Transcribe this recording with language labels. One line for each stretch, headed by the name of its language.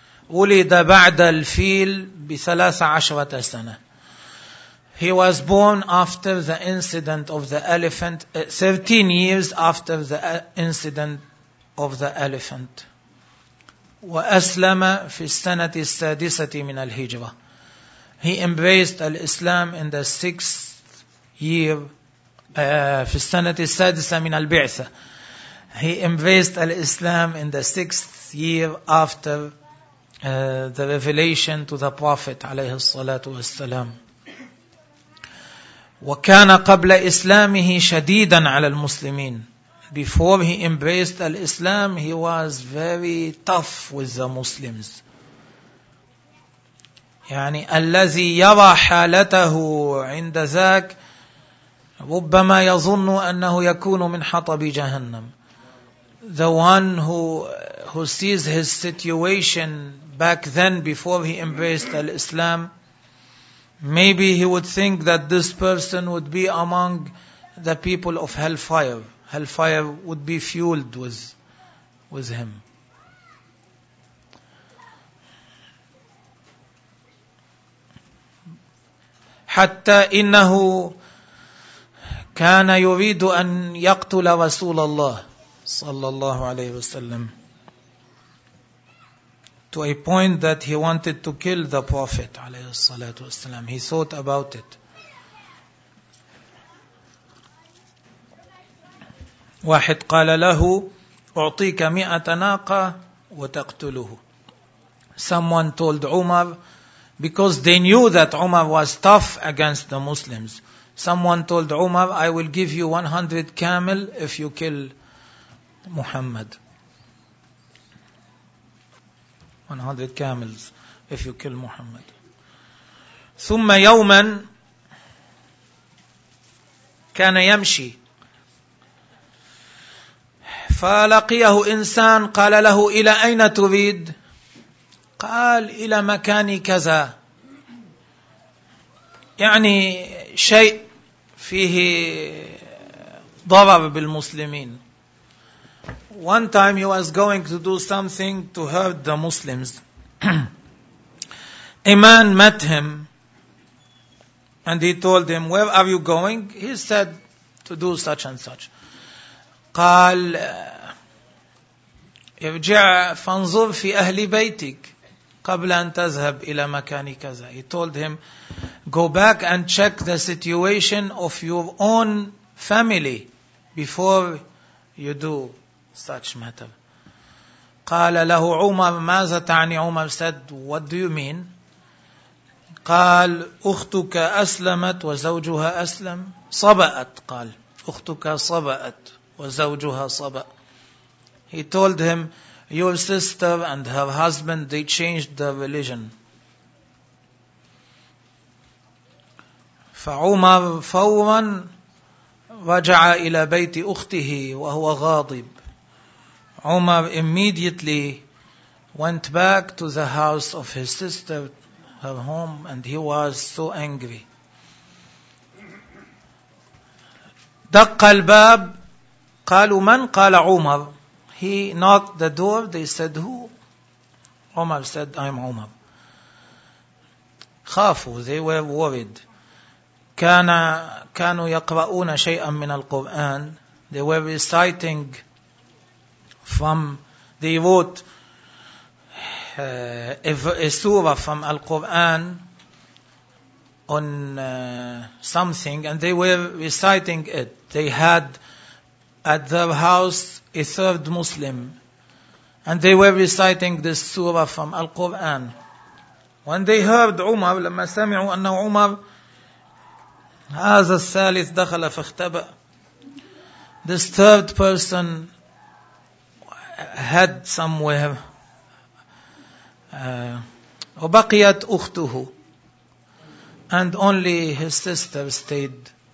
Arabic: ولد بعد الفيل بثلاث عشرة سنة.
English: He was born after the incident of the elephant, 13 years after the incident of the elephant.
Arabic: وأسلم في السنة السادسة من الهجرة.
English: He embraced Islam in the sixth year,
Arabic: في السنة السادسة من البعثة.
English: He embraced Islam in the sixth year after the revelation to the Prophet
Arabic: عليه الصلاة والسلام. وكان قبل إسلامه شديدا على المسلمين.
English: Before he embraced Islam, he was very tough with the Muslims.
Arabic: يعني الذي يرى حالته عند ذاك ربما يظن أنه يكون من حطب جهنم.
English: The one who sees his situation back then before he embraced Islam, maybe he would think that this person would be among the people of hellfire. Hellfire would be fueled with him.
Arabic: حتى إنه كان يريد أن يقتل رسول الله صلى الله عليه وسلم.
English: To a point that he wanted to kill the Prophet
Arabic: عليه الصلاة والسلام.
English: He thought about it.
Arabic: واحد قال له أعطيك مئة ناقة وتقتله.
English: Someone told Umar, because they knew that Umar was tough against the Muslims, someone told Umar, I will give you 100 camel if you kill Muhammad. 100 camels if you kill Muhammad.
Arabic: ثم يوما كان يمشي فلقيه إنسان قال له إلى أين تريد؟ قال إلى مكان كذا. يعني شيء فيه ضرر بالمسلمين.
English: One time he was going to do something to hurt the Muslims. A man met him and he told him, where are you going? He said, to do such and such.
Arabic: قال ارجع فانظر في أهل بيتك قبل أن تذهب إلى مكان كذا.
English: He told him, go back and check the situation of your own family before you do such matter.
Arabic: قال له عمر ماذا تعني؟ عمر
English: said, what do you mean?
Arabic: قال أختك أسلمت وزوجها أسلم. صبأت. قال أختك صبأت وزوجها صبأ.
English: He told him, your sister and her husband, they changed their religion.
Arabic: فعمر فورا رجع إلى بيت أخته وهو غاضب.
English: Umar immediately went back to the house of his sister, her home, and he was so angry.
Arabic: دق الباب. قالوا من؟ قال عمر.
English: He knocked the door. They said, who? Umar said, I'm Umar.
Arabic: خافوا.
English: They were worried.
Arabic: كانوا يقرؤون شيئا من القرآن.
English: They were reciting from, they wrote a surah from Al-Quran on something, and they were reciting it. They had at their house a third Muslim, and they were reciting this surah from Al-Quran. When they heard Umar,
Arabic: لما سمعوا أن عمر هذا الثالث دخل فاختبأ.
English: This third person had somewhere.
Arabic: وبقيت أخته.
English: And only his sister stayed.